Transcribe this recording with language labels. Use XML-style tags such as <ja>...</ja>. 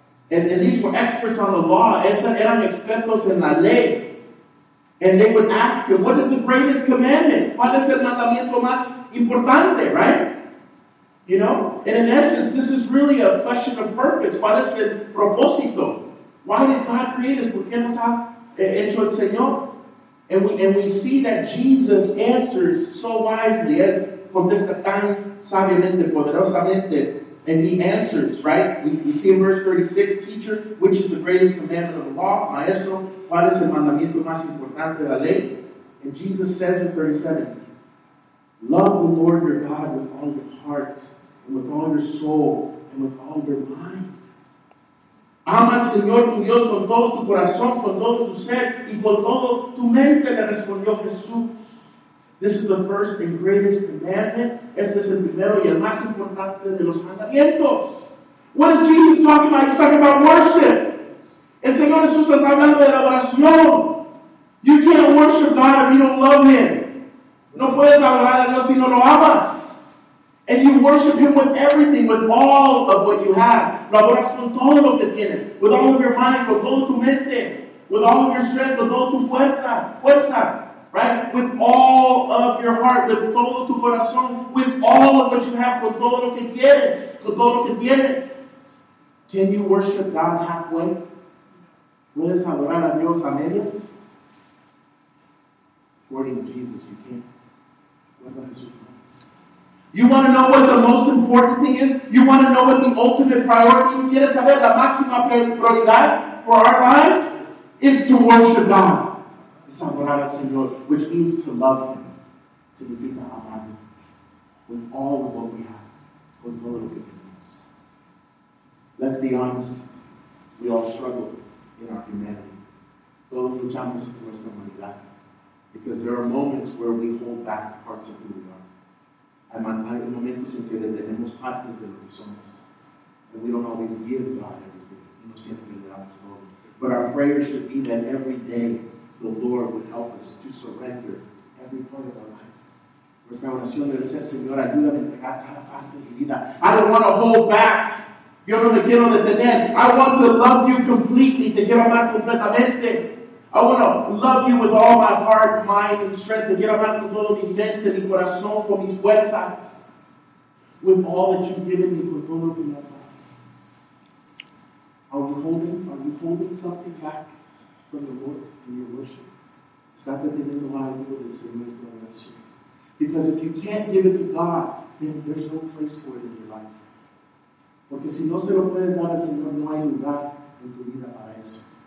<en>And these were experts on the law.</en> <es>Eran expertos en la ley.</es> <en>And they would ask him, what is the greatest commandment?</en> <es>¿Cuál es el mandamiento más importante?</es> <en>Right? You know? And in essence, this is really a question of purpose.</en> <es>¿Cuál es el propósito?</es> <en>Why did God create us?</en> <es>¿Por qué nos ha hecho el Señor?</es> <en>And we see that Jesus answers so wisely.</en> <es>Él contesta tan sabiamente, poderosamente.</es> <en>And he answers, right? We see in verse 36, teacher, which is the greatest commandment of the law?</en> <es>Maestro, ¿cuál es el mandamiento más importante de la ley?</es> <en>And Jesus says in 37, love the Lord your God with all your heart, and with all your soul, and with all your mind.</en> <es>Ama al Señor tu Dios con todo tu corazón, con todo tu ser, y con todo tu mente, le respondió Jesús.</es> <en>This is the first and greatest commandment.</en> <es>Este es el primero y el más importante de los mandamientos.</es> <en>What is Jesus talking about? He's talking about worship.</en> <es>El Señor Jesús está hablando de la adoración.</es> <en>You can't worship God if you don't love Him.</en> <es>No puedes adorar a Dios si no lo amas.</es> <en>And you worship Him with everything, with all of what you have.</en> <es>Lo adoras con todo lo que tienes.</es> <en>With all of your mind,</en> <es>con toda tu mente.</es> <en>With all of your strength,</en> <es>con toda tu fuerza.</es> <en>Right? With all of your heart, with</en> <es>todo tu corazón,</es> <en>with all of what you have,</en> <es>con todo lo que quieres, con todo lo que tienes.</es> <en>Can you worship God halfway?</en> <es>¿Puedes adorar a Dios a medias?</es> <en>According to Jesus, you can. You want to know what the most important thing is? You want to know what the ultimate priority is?</en> <es>¿Quieres saber la máxima prioridad</es> <en>for our lives? It's to worship God.</en> <es>Es adorar al Señor,</es> <en>which means to love Him.</en> <es>Significa amarlo.</es> <en>With all of what we have.</en> <es>Con todo lo que tenemos.</es> <en>Let's be honest. We all struggle in our humanity.</en> <es>Todos luchamos por nuestra humanidad.</es> <en>Because there are moments where we hold back parts of who we are.</en> <es>Hay momentos en que detenemos partes de lo que somos.</es> <en>And we don't always give God everything.</en> <es>Y no siempre le damos todo.</es> <en>But our prayer should be that every day the Lord would help us to surrender every part of our life.</en> <es>Nuestra oración debe ser, Señor, ayúdame a entregar cada parte de mi vida.</es> <en>I don't want to hold back.</en> <es>Yo no me quiero detener.</es> <en>I want to love you completely.</en> <es>Te quiero amar completamente.</es> <en>I want to love you with all my heart, mind, and strength.</en> <es>Te quiero amar con todo mi mente, mi corazón, con mis fuerzas.</es> <en>With all that you've given me,</en> <es>con todo lo que me has dado.</es> <en>Are you holding something back from the Lord? In your worship. Because if you can't give it to God, then there's no place for it in your life.</en> <es>Porque si no se lo puedes dar al Señor, no hay lugar en tu vida para eso.</es>